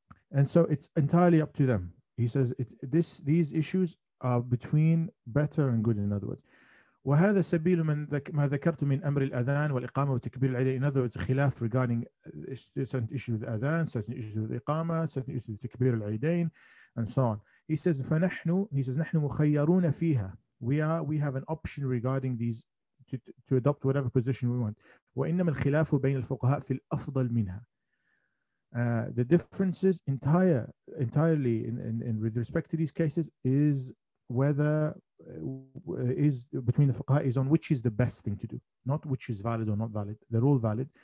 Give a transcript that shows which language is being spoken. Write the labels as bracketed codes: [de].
[en] And so it's entirely up to them. He says, these issues are between better and good, in other words. [ar] وَهَذَا سَبِيلُ مَا ذَكَرْتُ مِنْ أَمْرِ الْأَذَانِ وَالْإِقَامَةِ وَتَكْبِيرِ الْعَدَيْنِ. [en] In other words, خلاف regarding certain issues with adhan, certain issues with iqama, certain issues with takbir al-aidain, and so on. He says, [ar] نَحْنُ مُخَيَّرُونَ فِيهَا. [en] We have an option regarding these to adopt whatever position we want. [ar] وَإِنَّمَا الْخِلَافُ بَيْنَ الْفُقَهَاءِ فِي الْأَفْضَلِ مِنْهَا. [en] The differences entirely in with respect to these cases is whether is between the fuqaha is on which is the best thing to do, not which is valid or not valid. They're all valid.